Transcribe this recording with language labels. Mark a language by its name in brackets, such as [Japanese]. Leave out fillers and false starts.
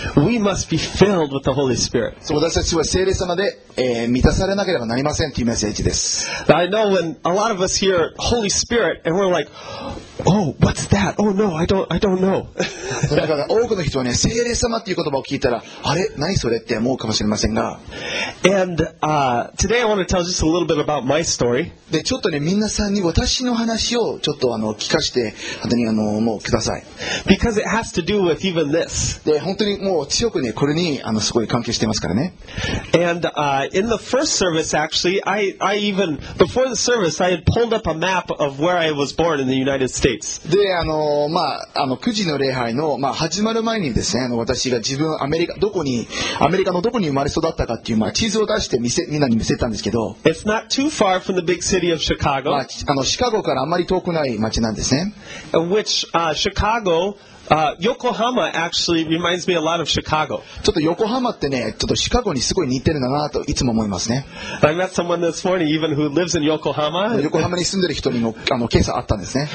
[English] We must be filled with the Holy Spirit. [Japanese] 私たちは聖霊様で、満たされなければなりませんというメッセージです。 [English] I know when a lot of us hear Holy Spirit and we're like, oh, what's that? Oh no, I don't know. [Japanese] だから多くの人はね、聖霊様という言葉を聞いたら、あれ、何それって思うかもしれませんが。 [English] And, today I want to tell just a little bit about my story. [Japanese] で、ちょっとね、みんなさんに私の話をちょっとあの聞かせて、本当にあのもうください。 [English] Because it has to do with even this. [Japanese] で、本当にもう強くね、これにあのすごい関係してますからね。 [English] And, in the first service, actually, I even, before the service, I had pulled up a map of where I was born in the United States. [Japanese] で、あの、まあ、あの、9時の礼拝の、まあ、始まる前にですね、あの、私が自分、アメリカ、どこに、アメリカのどこに生まれ育ったかっていう、まあ、地図を出して見せ、みんなに見せたんですけど。 [English] It's not too far from the big city of Chicago.、 [Japanese] まああのシカゴからあまり遠くない町なんですね。 [English] Which, Chicago, Yokohama actually reminds me a lot of Chicago. [Japanese] ちょっと横浜ってね、ちょっとシカゴにすごい似てるなといつも思いますね。 [English] I met someone this morning, even who lives in Yokohama. [Japanese] 横浜に住んでる人にもあの今朝会ったんですね。